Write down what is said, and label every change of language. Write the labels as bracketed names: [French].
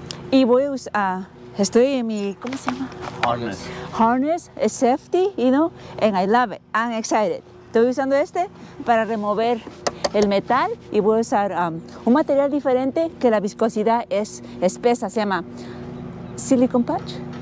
[Spanish] Y voy a estoy en mi, ¿cómo se llama? [English] Harness. [Spanish] Es [English] safety, you know, and I love it. I'm excited. [Spanish] Estoy usando este para remover el metal y voy a usar un material diferente que la viscosidad es espesa, se llama Silicone Patch.